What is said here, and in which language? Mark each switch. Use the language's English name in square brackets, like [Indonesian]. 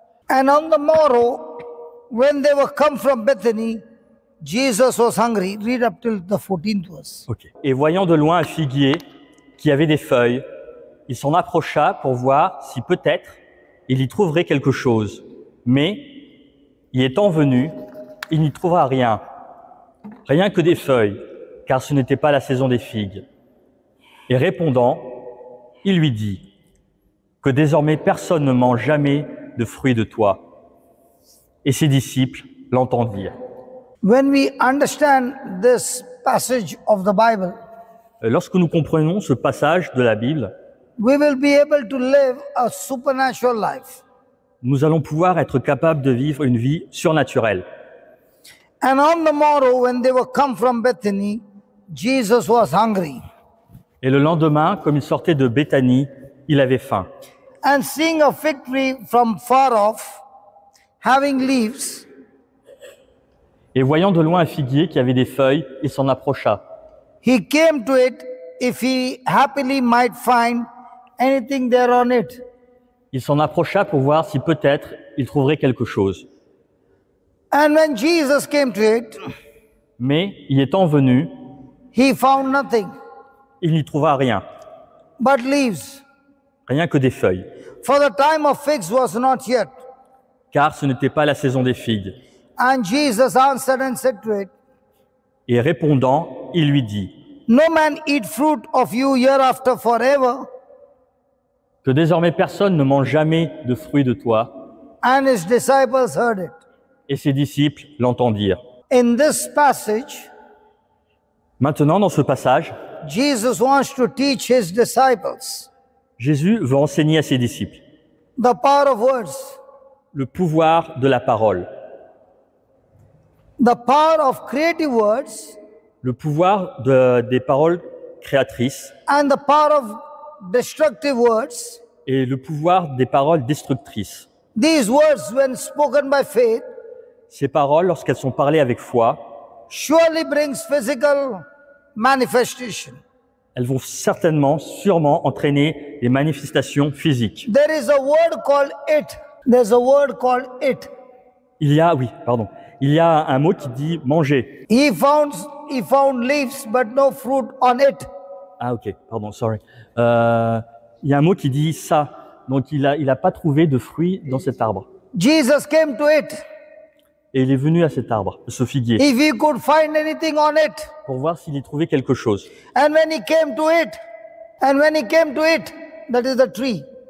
[English] And on the morrow, when they were come from Bethany, Jesus was hungry. Read up till the 14th verse. Okay. [French] Et voyant de loin un figuier qui avait des feuilles, il s'en approcha pour voir si peut-être il y trouverait quelque chose. Mais, y étant venu, il n'y trouva rien, rien que des feuilles, car ce n'était pas la saison des figues. Et répondant, il lui dit, que désormais personne ne mange jamais de fruits de toi. Et ses disciples l'entendirent. [English] When we understand this passage of the Bible, [French] lorsque nous comprenons ce passage de la Bible, [English] we will be able to live a supernatural life. [French] Nous allons pouvoir être capables de vivre une vie surnaturelle. [English] And on the morrow, when they were come from Bethany, Jesus was hungry. [French] Et le lendemain, comme il sortait de Béthanie, il avait faim. [English] And seeing a fig tree from far off, having leaves. [French] Et voyant de loin un figuier qui avait des feuilles, il s'en approcha. [English] He came to it if he happily might find anything there on it. [French] Il s'en approcha pour voir si peut-être il trouverait quelque chose. [English] And when Jesus came to it, [French] mais il étant venu, [English] he found nothing. [French] Il n'y trouva rien. [English] But leaves. [French] Rien que des feuilles. [English] For the time of figs was not yet. [French] Car ce n'était pas la saison des figues. [English] And Jesus answered and said to it, [French] et répondant, il lui dit, [English] no man eat fruit of you hereafter forever. [French] Que désormais personne ne mange jamais de fruits de toi. [English] And his disciples heard it. [French] Et ses disciples l'entendirent. [English] In this passage, [French] maintenant dans ce passage, [English] Jesus wants to teach his disciples, [French] Jésus veut enseigner à ses disciples [English] the power of words, [French] le pouvoir de la parole, [English] the power of creative words, [French] le pouvoir des paroles créatrices, [English] and the power of destructive words, [French] et le pouvoir des paroles destructrices. [English] These words, when spoken by faith, [French] ces paroles, lorsqu'elles sont parlées avec foi, [English] surely brings physical manifestation. [French] Elles vont certainement, sûrement entraîner des manifestations physiques. [English] There is a word called it. There's a word called it. [French] Il y a, oui, pardon. Il y a un mot qui dit manger. [English] He found leaves, but no fruit on it. [French] Ah, ok. Pardon. Sorry. Il y a un mot qui dit ça. Donc, il a pas trouvé de fruits dans cet arbre. [English] Jesus came to it. [French] Et il est venu à cet arbre, ce figuier. [English] If he could find anything on it. [French] Pour voir s'il y trouvait quelque chose. [English] And when he came to it. And when he came to it. That is the tree.